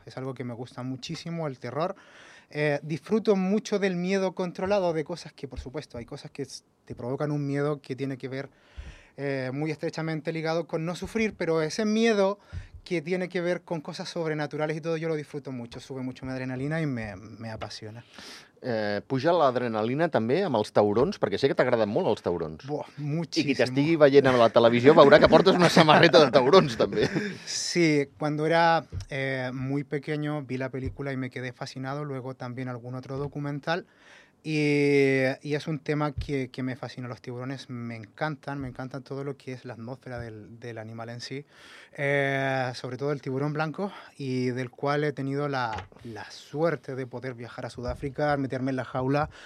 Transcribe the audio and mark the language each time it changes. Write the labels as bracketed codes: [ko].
[es] Es algo que me gusta muchísimo, el terror. Disfruto mucho del miedo controlado, de cosas que, por supuesto, hay cosas que te provocan un miedo que tiene que ver muy estrechamente ligado con no sufrir, pero ese miedo que tiene que ver con cosas sobrenaturales y todo, yo lo disfruto mucho, sube mucho mi adrenalina y me apasiona. [ca] Puja l'adrenalina també amb els taurons, perquè sé que t'agraden molt els taurons. Buah, moltíssim. I qui t'estigui veient a la televisió veurà que portes una samarreta de taurons també. [es] Sí, cuando era muy pequeño vi la película y me quedé fascinado, luego también algún otro documental, y es un tema que me fascina. Los tiburones me encantan todo lo que es la atmósfera del animal en sí, sobre todo el tiburón blanco, y del cual he tenido la suerte de poder viajar a Sudáfrica, meterme en la jaula.